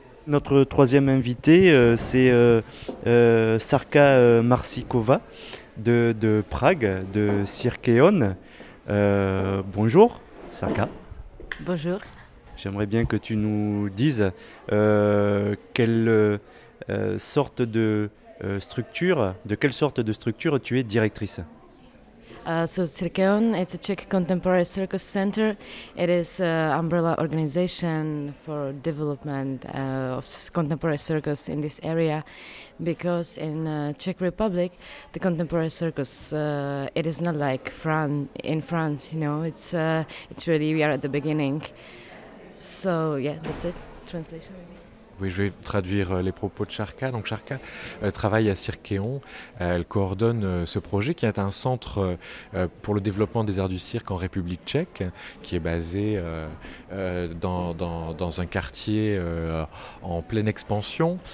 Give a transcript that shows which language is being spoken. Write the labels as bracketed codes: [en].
[fr] Notre troisième invité, c'est Sarka Marsikova de Prague, de Cirkeon. Bonjour, Sarka. Bonjour. J'aimerais bien que tu nous dises quelle sorte de structure, de quelle sorte de structure tu es directrice. [en] So Cirkeon, it's a Czech contemporary circus center. It is an umbrella organization for development of contemporary circus in this area, because in Czech Republic, the contemporary circus it is not like in France. You know, it's really we are at the beginning. So yeah, that's it. Translation. [fr] Oui, je vais traduire les propos de Sarka. Donc Sarka travaille à Cirkeon. Elle coordonne ce projet qui est un centre pour le développement des arts du cirque en République tchèque, qui est basé dans un quartier en pleine expansion.